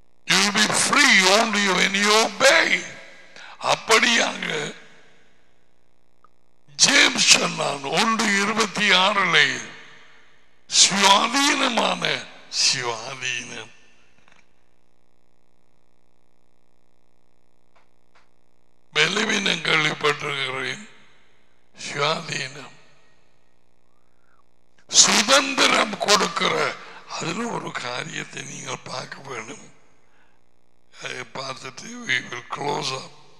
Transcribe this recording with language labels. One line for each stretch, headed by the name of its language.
English: You'll be free only when you obey.
Tamil: அப்படியாக James சொன்னான் 1:26, சுவாதீனமான சுவாதீனம். பெலவீனம் கேள்விப்பட்டிருக்கிறேன், சுவாதீனம் சுதந்திரம் கொடுக்கிற. அதுல ஒரு காரியத்தை நீங்கள் பார்க்க வேண்டும். பார்த்துட்டு
English: we will close up.